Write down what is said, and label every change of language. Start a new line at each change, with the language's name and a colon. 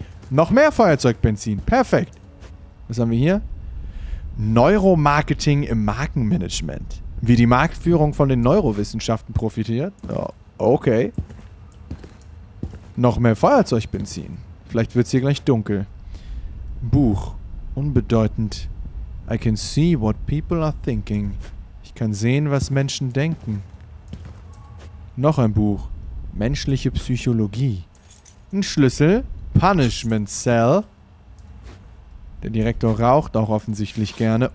German: Noch mehr Feuerzeugbenzin. Perfekt. Was haben wir hier? Neuromarketing im Markenmanagement. Wie die Marktführung von den Neurowissenschaften profitiert. Oh, okay. Noch mehr Feuerzeugbenzin. Vielleicht wird's hier gleich dunkel. Buch. Unbedeutend.
English: I can see what people are thinking.
German: Ich kann sehen, was Menschen denken. Noch ein Buch. Menschliche Psychologie. Ein Schlüssel.
English: Punishment Cell.
German: Der Direktor raucht auch offensichtlich gerne.